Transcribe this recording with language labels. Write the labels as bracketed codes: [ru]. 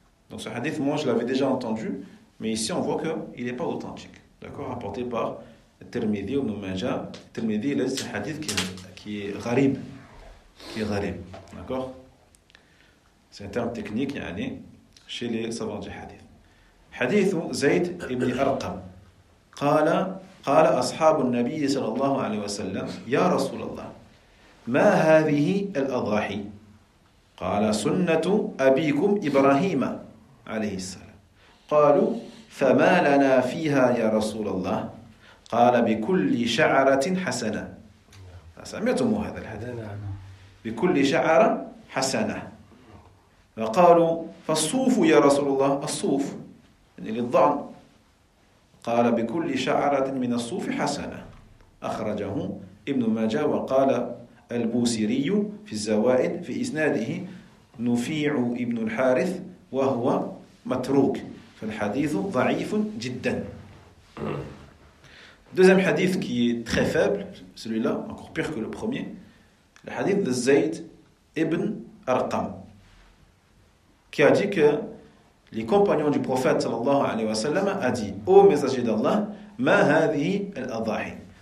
[fr] Donc ce hadith, moi je l'avais déjà entendu, mais ici on voit qu'il n'est pas authentique. D'accord? Rapporté par Tirmidhi ou Numaja. Tirmidhi, il est un hadith qui est gharib. Qui est gharib. D'accord? C'est un terme technique, yani, chez les savants du hadith. [ar] Hadith Zayd ibn Arqam. Qala. قال أصحاب النبي صلى الله عليه وسلم يا رسول الله ما هذه الأضاحي قال سنة أبيكم إبراهيم عليه السلام قالوا فما لنا فيها يا رسول الله قال بكل شعرة حسنة سمعتم هذا الحديث بكل شعرة حسنة فقالوا فالصوف يا رسول الله الصوف يعني للضأن قال بكل شعرة من الصوف حسنة أخرجه ابن ماجه وقال البوسري في الزوائد في إسناده نفيع ابن الحارث وهو متروك فالحديث ضعيف جدا. [fr] Deuxième hadith qui est très faible, celui-là encore pire que le premier, le hadith de Zayd ibn Arqam qui a dit que les compagnons du prophète sallallahu alayhi wa sallam a dit ô messager d'Allah, [ar] ma hadhihi al-adhahi.